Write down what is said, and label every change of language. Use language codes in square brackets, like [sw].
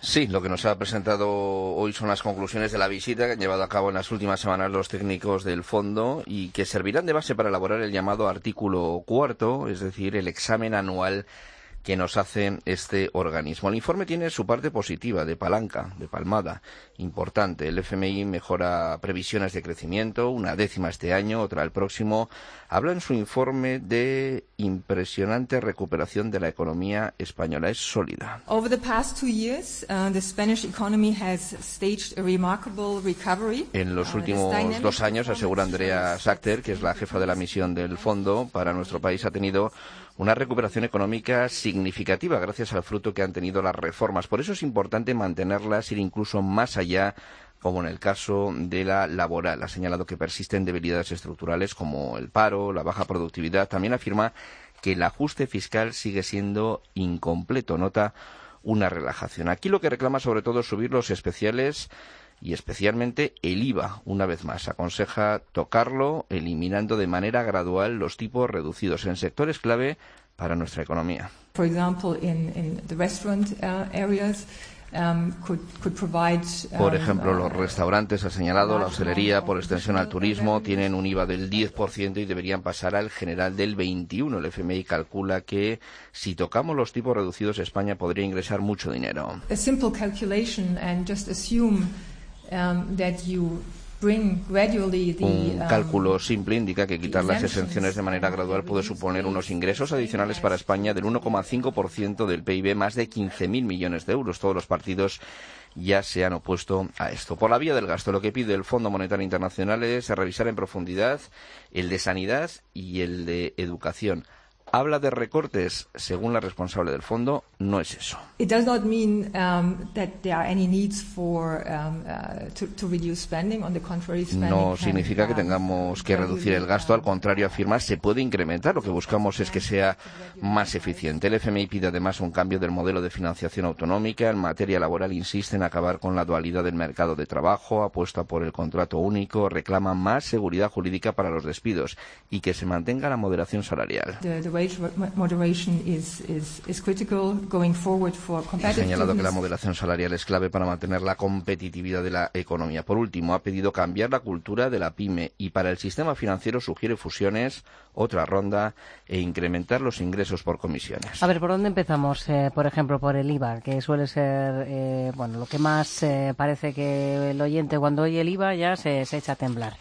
[es] Sí, lo que nos ha presentado hoy son las conclusiones de la visita que han llevado a cabo en las últimas semanas los técnicos del fondo y que servirán de base para elaborar el llamado artículo cuarto, es decir, el examen anual que nos hace este organismo. El informe tiene su parte positiva, de palanca, de palmada, importante. El FMI mejora previsiones de crecimiento, una décima este año, otra el próximo. Habla en su informe de impresionante recuperación de la economía española. Es sólida. [en] Over the past two years, the Spanish economy has staged a remarkable recovery. [es] En los últimos dos años, asegura Andrea Sachter, que es la jefa de la misión del fondo, para nuestro país ha tenido una recuperación económica significativa gracias al fruto que han tenido las reformas. Por eso es importante mantenerlas, ir incluso más allá, como en el caso de la laboral. Ha señalado que persisten debilidades estructurales como el paro, la baja productividad. También afirma que el ajuste fiscal sigue siendo incompleto. Nota una relajación. Aquí lo que reclama sobre todo es subir los especiales y especialmente el IVA, una vez más. Aconseja tocarlo, eliminando de manera gradual los tipos reducidos en sectores clave para nuestra economía. [en] For example, in the restaurant areas, could provide, [es] por ejemplo, los restaurantes, ha señalado, la hostelería, por extensión al turismo, tienen un IVA del 10% y deberían pasar al general del 21%. El FMI calcula que si tocamos los tipos reducidos, España podría ingresar mucho dinero. [en] A simple calculation and just assume that you bring gradually the, [es] un cálculo simple indica que quitar las exenciones de manera gradual puede suponer unos ingresos adicionales para España del 1,5% del PIB, más de 15.000 millones de euros. Todos los partidos ya se han opuesto a esto. Por la vía del gasto, lo que pide el Fondo Monetario Internacional es revisar en profundidad el de sanidad y el de educación. habla de recortes, según la responsable del fondo, no es eso. [en] It does not mean that there are any needs for to reduce spending. On the contrary, spending [es] no significa que tengamos que reducir el gasto. Al contrario, afirma, se puede incrementar. Lo que buscamos es que sea más eficiente. El FMI pide además un cambio del modelo de financiación autonómica. En materia laboral insiste en acabar con la dualidad del mercado de trabajo, apuesta por el contrato único, reclama más seguridad jurídica para los despidos y que se mantenga la moderación salarial. [en] The wage moderation is critical going forward for competitiveness. [es] Ha señalado que la moderación salarial es clave para mantener la competitividad de la economía. Por último, ha pedido cambiar la cultura de la PYME y para el sistema financiero sugiere fusiones, otra ronda e incrementar los ingresos por comisiones. A ver, ¿por dónde empezamos? Por ejemplo, por el IVA, que suele ser bueno, lo que más parece que el oyente cuando oye el IVA ya se echa a temblar.